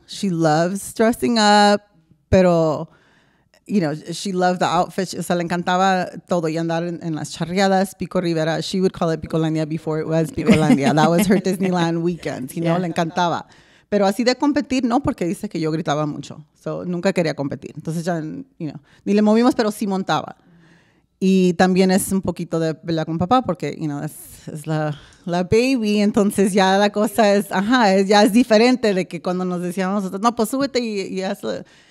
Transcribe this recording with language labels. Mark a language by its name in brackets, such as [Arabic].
[English] She loves dressing up, [Spanish] pero, [English] you know, she loved the outfits. [Spanish] O sea, le encantaba todo y andar en las charreadas, Pico Rivera. [English] She would call it Picolandia before it was Picolandia. That was her Disneyland weekend, you know, yeah. Le encantaba. [Spanish] Pero así de competir, no, porque dice que yo gritaba mucho. So, nunca quería competir. Entonces ya, [English] you know, [Spanish] ni le movimos, pero sí montaba. Y también es un poquito de pelea con papá, porque, [English] you know, [Spanish] es la baby. Entonces ya la cosa es, ajá, ya es diferente de que cuando nos decíamos, no, pues súbete y hazlo.